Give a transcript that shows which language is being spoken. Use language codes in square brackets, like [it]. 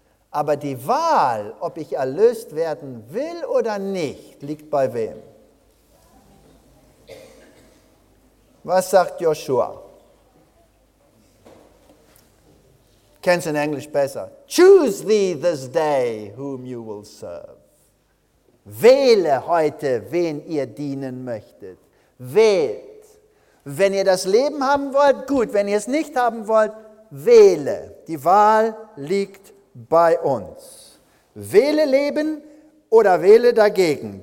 [de] Aber die Wahl, ob ich erlöst werden will oder nicht, liegt bei wem? Was sagt Joshua? Kennst du in Englisch besser? [en] Choose thee this day whom you will serve. [de] Wähle heute, wen ihr dienen möchtet. Wählt. Wenn ihr das Leben haben wollt, gut. Wenn ihr es nicht haben wollt, wähle. Die Wahl liegt bei uns. Wähle Leben oder wähle dagegen.